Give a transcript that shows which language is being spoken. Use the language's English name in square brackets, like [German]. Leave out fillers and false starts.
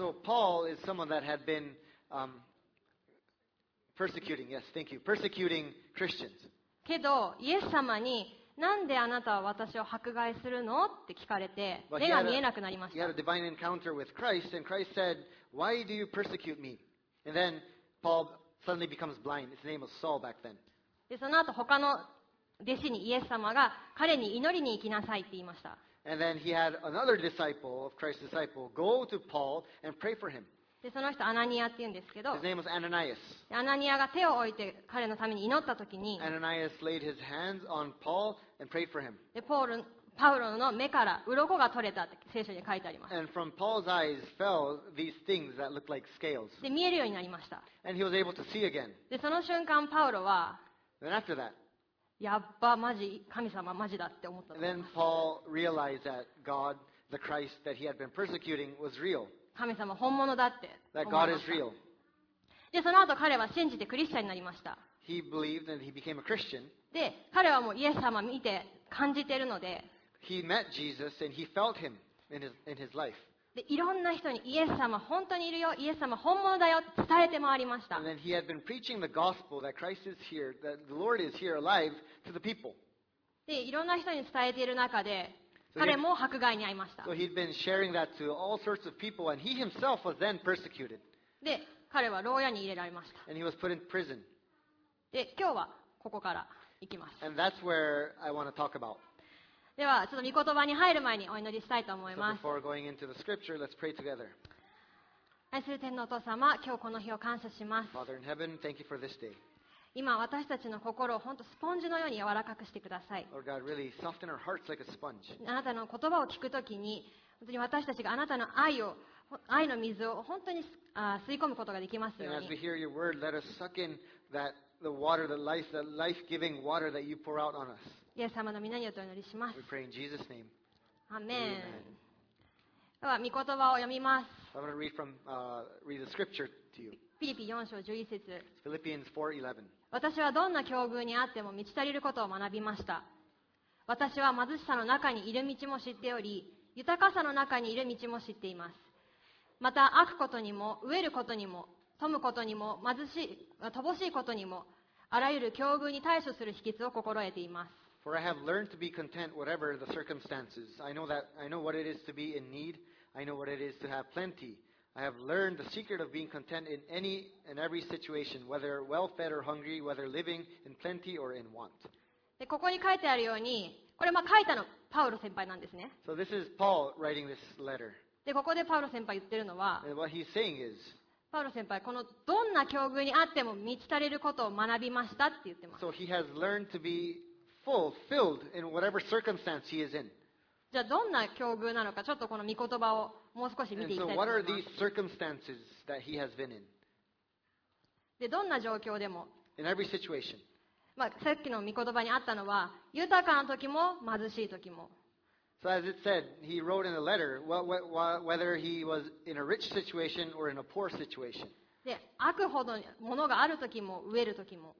[English] So Paul is someone that had been persecuting, yes, thank you, persecuting Christians. [Japanese] けど、イエス様になんであなたは私を迫害するのって聞かれて、目が見えなくなりました。 [English] He had a divine encounter with Christ, and Christ said, "Why do you persecute me?" And then Paul. Suddenly becomes blind. His name was Saul back then. [Japanese] で、その後他の弟子にイエス様が彼に祈りに行きなさいって言いました。 [English] And then he had another disciple of Christ's disciple go to Paul and pray for him. [Japanese] で、その人アナニアって言うんですけど。 [English] His name was Ananias. [Japanese] アナニアが手を置いて彼のために祈った時に。 [English] Ananias laid his hands on Paul and prayed for him. [Japanese] で、パウロの目から鱗が取れたって聖書に書いてあります。 [English] And from Paul's eyes fell these things that looked like scales. [Japanese] で、見えるようになりました。 [English] And he was able to see again. [Japanese] で、その瞬間パウロは、 [English] Then after that, [Japanese] やっば、マジ、神様マジだって思ったと思います。 [English] Then Paul realized that God, the Christ that he had been persecuting, was real. [Japanese] 神様本物だって思いました。 [English] That God is real. [Japanese] で、その後彼は信じてクリスチャンになりました。 [English] He believed and he became a Christian. [Japanese] で、彼はもうイエス様見て感じているので、 [English] He met Jesus and he felt him in his life. [Japanese] で、いろんな人にイエス様本当にいるよ、イエス様本物だよって伝えて回りました。 [English] And then he had been preaching the gospel that Christ is here, that the Lord is here alive to the people. [Japanese] で、いろんな人に伝えている中で、彼も迫害に遭いました。 [English] So he'd been sharing that to all sorts of people and he himself was then persecuted. [Japanese] で、彼は牢屋に入れられました。 [English] And he was put in prison. [Japanese] で、今日はここから行きます。 [English] And that's where I want to talk about. [Japanese] ではちょっと御言葉に入る前にお祈りしたいと思います。 [English] So、before going into the scripture, let's pray together. [Japanese] 愛する天のお父様、今日この日を感謝します。 [English] Father in heaven, thank you for this day. [Japanese] 今私たちの心を本当スポンジのように柔らかくしてください。 [English] Lord God, really soften our hearts like a sponge. [Japanese] あなたの言葉を聞くときに、本当に私たちがあなたの愛の水を本当に吸い込むことができますように。 [English] And as we hear your word, let us suck in that the water, the life-giving water that you pour out on us. [Japanese] イエス様の皆によってお祈りします。 [English] We pray in Jesus' name. Amen. [Japanese] では御言葉を読みます。 [English] I'm going to read, from, read the scripture to you. Philippians 4:11. [Japanese] 私はどんな境遇にあっても満ち足りることを学びました。私は貧しさの中にいる道も知っており、豊かさの中にいる道も知っています。また飽くことにも飢えることにも富むことにも乏しいことにも、あらゆる境遇に対処する秘訣を心得ています。 [English] For I have learned to be content whatever the circumstances. I know what it is to be in need. I know what it is to have plenty. I have learned the secret of being content in any and every situation, whether well fed or hungry, whether living in plenty or in want. [Japanese] で、ここに書いてあるように、これまあ書いたのパウロ先輩なんですね。 [English] So this is Paul writing this letter. [Japanese] で、ここでパウロ先輩言ってるのは、 [English] And what he's saying is, [Japanese] パウロ先輩、このどんな境遇にあっても満ち足りることを学びましたって言ってます。 [English] So he has learned to be fulfilled in whatever circumstance he is in. [Japanese] じゃあどんな境遇なのか、ちょっとこの御言葉をもう少し見ていきたいと思います。 [English] And so what are these circumstances that he has been in? [Japanese] で、どんな状況でも。 [English] In every situation. [Japanese] まあ、さっきの御言葉にあったのは、豊かな時も貧しい時も。 [English] So as it said, he wrote in a letter, whether he was in a rich situation or in a poor situation. [Japanese] で、飽くほど物がある時も飢える時も。